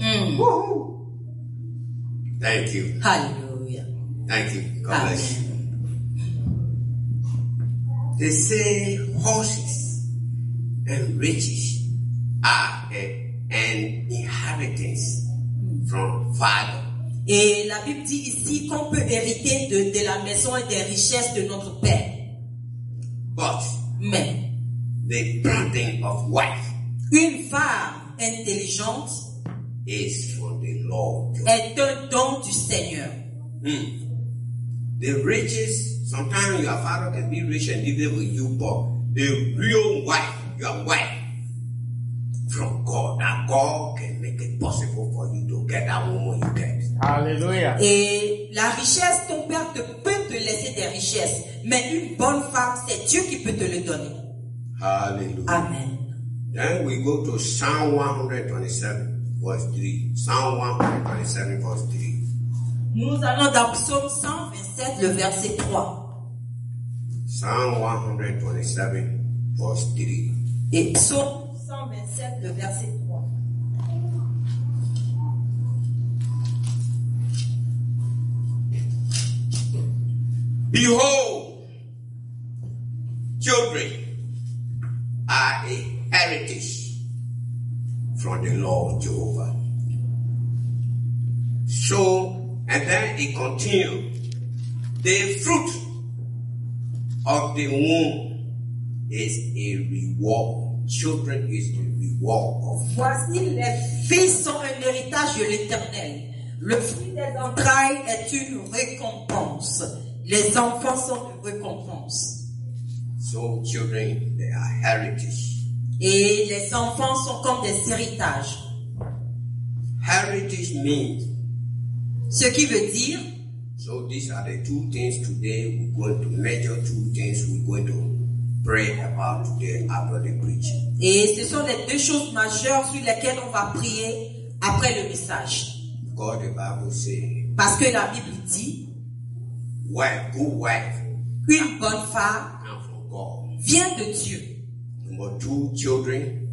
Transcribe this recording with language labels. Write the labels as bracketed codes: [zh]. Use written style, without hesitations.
[en] Woohoo. Thank you. Hallelujah. Thank you. God bless you. They say horses and riches are an inheritance from father. [fr] Et la Bible dit ici qu'on peut hériter de la maison et des richesses de notre père. [en] But [fr] mais [en] the planting of wife, [fr] une femme intelligente, [en] is for the Lord, [fr] est un don du Seigneur. [en] The riches, sometimes your father can be rich and live with you, but the real wife, your wife, from God, that God can make it possible for you to get that woman you get. Hallelujah. [fr] Et la richesse ton père te peut te laisser des richesses, mais une bonne femme, c'est Dieu qui peut te le donner. Hallelujah. Amen. [en] Then we go to Psalm 127, verse 3. Psalm 127, verse 3. [fr] Nous allons dans Psaume 127, le verset 3. [en] Psalm 127, verse 3. [fr] Et Psaume 127, le verset 3. [en] Behold, children are a heritage from the Lord Jehovah. So, and then it continued, the fruit of the womb is a reward. Children is the reward of God. [fr] Voici les fils sont un héritage de l'Éternel. Le fruit des entrailles est une récompense. Les enfants sont une récompense. [en] So children, they are heritage. [fr] Et les enfants sont comme des héritages. [en] Heritage means. [fr] Ce qui veut dire. [en] So these are the two things today we're going to measure. Two things we're going to pray about today after the preaching. [fr] Et ce sont les deux choses majeures sur lesquelles on va prier après le message. [en] God, the Bible says. [fr] Parce que la Bible dit. [en] Wife, good wife. [fr] Une bonne femme. Vient de Dieu. [en] Number two, children.